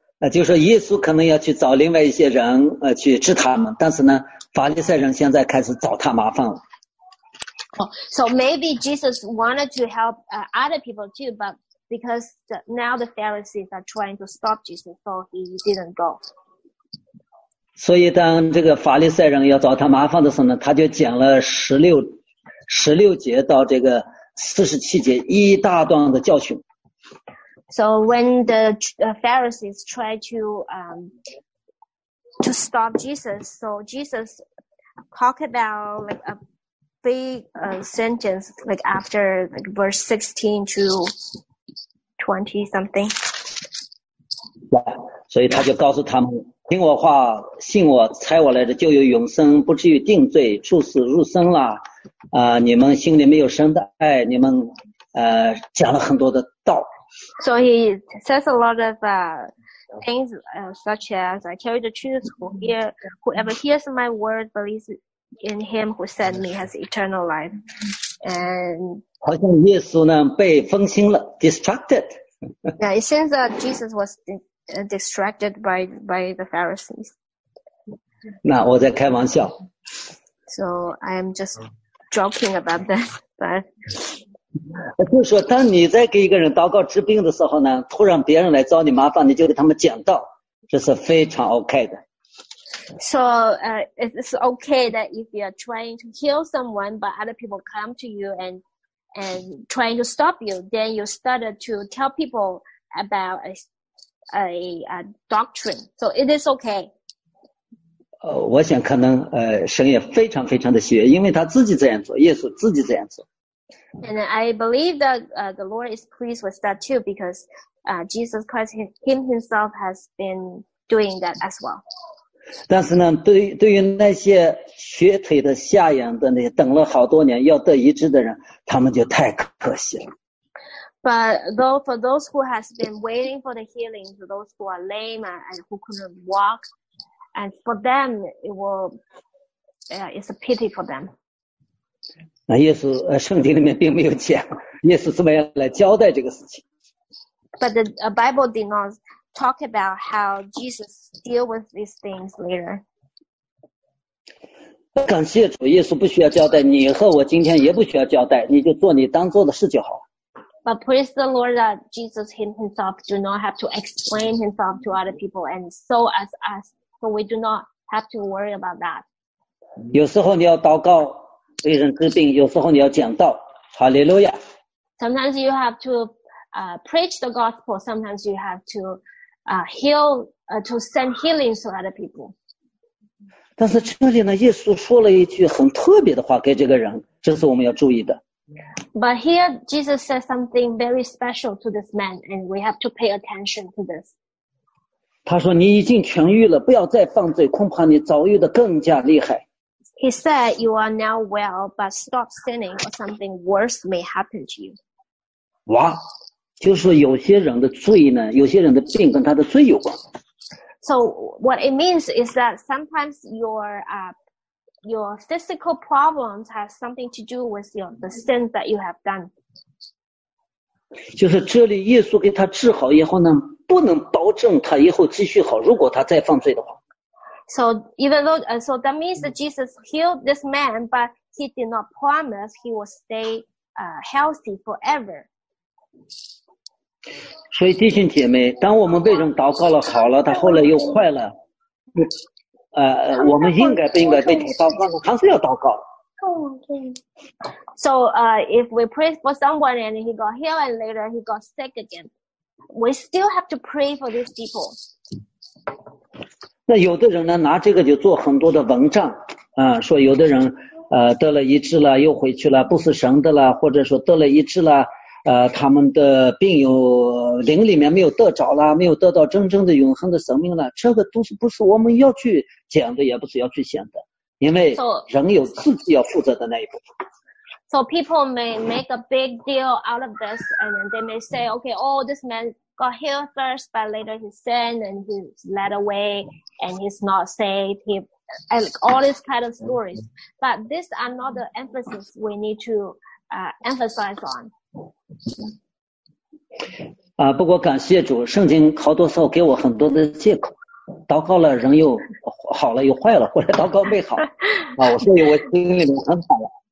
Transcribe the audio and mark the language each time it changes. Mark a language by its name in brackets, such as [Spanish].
[Chinese] 就是说耶稣可能要去找另外一些人去治他们但是呢法利赛人现在开始找他麻烦了。 [English] Oh, so maybe Jesus wanted to help other people too, but because now the Pharisees are trying to stop Jesus, so he didn't go. [Chinese] 所以当这个法利赛人要找他麻烦的时候呢他就讲了16节到这个47节一大段的教训。 [English] So when the Pharisees tried to stop Jesus, so Jesus talked about like a big sentence like after like verse 16 to 20 something. [Chinese] 所以他就告诉他们听我话信我差我来的就有永生不至于定罪处死入生了你们心里没有神的爱你们讲了很多的道。 [English] So he says a lot of things such as, I tell you the truth, whoever hears my word believes in him who sent me has eternal life. And [Chinese] 好像耶稣呢被分心了 distracted. [English] Yeah, it seems that Jesus was distracted by the Pharisees. [Chinese] 那我在开玩笑。 [English] So I'm just joking about that, but... [Chinese] 就是说当你在给一个人祷告治病的时候呢突然别人来找你麻烦你就给他们讲道这是非常 OK 的。 [English] So it's okay that if you're trying to heal someone, but other people come to you and trying to stop you, then you started to tell people about a doctrine. So it is okay. [Chinese] 我想可能神也非常非常的喜悦，因为他自己这样做，耶稣自己这样做。 [English] And I believe that the Lord is pleased with that too, because Jesus Christ him himself has been doing that as well. [Chinese] 但是呢，对于那些瘸腿的、瞎眼的那些等了好多年要得医治的人，他们就太可惜了。 [English] But though for those who has been waiting for the healing, for those who are lame and who couldn't walk, and for them it will, it's a pity for them. [Chinese] 那耶稣圣经里面并没有讲耶稣怎么样来交代这个事情。 [English] But the Bible did not talk about how Jesus deal with these things later. [Chinese] 感谢主，耶稣不需要交代，你和我今天也不需要交代，你就做你当做的事就好。 [English] But praise the Lord that Jesus himself do not have to explain himself to other people, and so as us, so we do not have to worry about that. [Chinese] 有时候你要祷告为人治病，有时候你要讲道，哈利路亚。 [English] Sometimes you have to preach the gospel. Sometimes you have to heal, to send healing to other people. [Chinese] 但是这里呢，耶稣说了一句很特别的话给这个人，这是我们要注意的。 [English] But here Jesus says something very special to this man, and we have to pay attention to this. [Chinese] 他说：“你已经痊愈了，不要再犯罪，恐怕你遭遇的更加厉害。” [English] He said, "You are now well, but stop sinning, or something worse may happen to you." [Chinese] 哇，就是有些人的罪呢，有些人的病跟他的罪有关。 [English] So what it means is that sometimes your physical problems has something to do with the sins that you have done. [Chinese] 就是这里耶稣给他治好以后呢，不能保证他以后继续好，如果他再犯罪的话。 [English] So even though, so that means that Jesus healed this man, but he did not promise he will stay healthy forever. [Chinese] 所以弟兄姐妹，当我们为人祷告了好了，他后来又坏了。我们应该不应该被提到，还是要祷告。 [English] So, if we pray for someone and he got healed and later he got sick again, we still have to pray for these people. [Chinese] 那有的人呢，拿这个就做很多的文章，说有的人得了医治了，又回去了，不是神的了，或者说得了医治了，他们的病有灵里面没有得着了，没有得到真正的永恒的生命了，这个都是不是我们要去讲的，也不是要去想的，因为人有自己要负责的那一部分。 [English] So people may make a big deal out of this, and then they may say, okay, oh, this man got healed first, but later he sinned and he's led away and he's not saved. He, and all these kind of stories. But these are not the emphasis we need to emphasize on. [Chinese] 不过感谢主，圣经好多时候给我很多的借口，祷告了人又好了又坏了，或者祷告没好啊，所以我心里面很好了。